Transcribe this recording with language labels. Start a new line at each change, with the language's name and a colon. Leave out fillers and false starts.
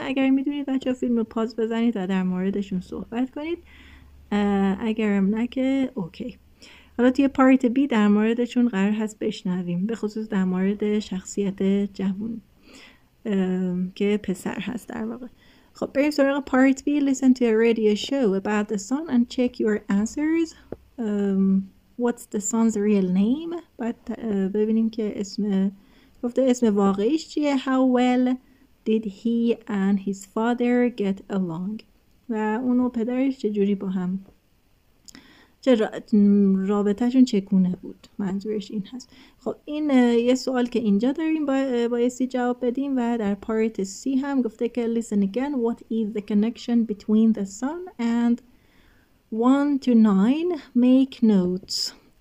Persian: اگر میدونید بچه فیلم رو پاز بزنید و در موردشون صحبت کنید. اگرم نه که اوکی. حالا توی پارت بی در موردشون قرار هست بشنویم، به خصوص در مورد شخصیت جوان که پسر هست در واقع. خب بریم سراغ پارت بی.
English: Listen to a radio show about the son and check your answers. What's the son's real name?
Persian: باید ببینیم که اسم گفته اسم واقعیش چیه. How well did he and his father get along? و اون و پدرش چجوری با هم رابطهشون چگونه بود، منظورش این هست. خب این یه سوال که اینجا داریم بایستی جواب بدیم. و در پارت سی هم گفته که
English: listen again, what is the connection between the son and 1 to 9, make notes.